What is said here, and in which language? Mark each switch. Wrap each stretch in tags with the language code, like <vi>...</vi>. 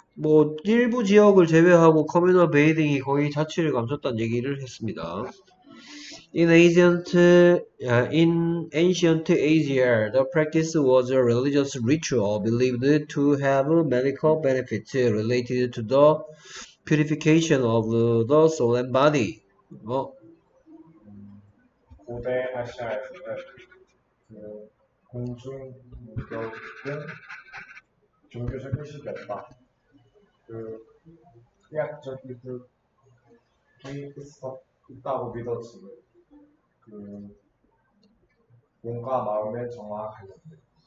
<ko>뭐 일부 지역을 제외하고 커뮤널 베이딩이 거의 자취를 감췄다는 얘기를 했습니다.</ko> <en>In ancient Asia, the practice was a religious ritual believed to have medical benefits related to the purification of the soul and body. 뭐</en> <ko>고대 아시아에서 공중 목욕은 종교적 의식이 없다. 그 의학적인 그 방법이 있다고 믿어지는 그 몸과 마음의 정화와 관련돼.</ko>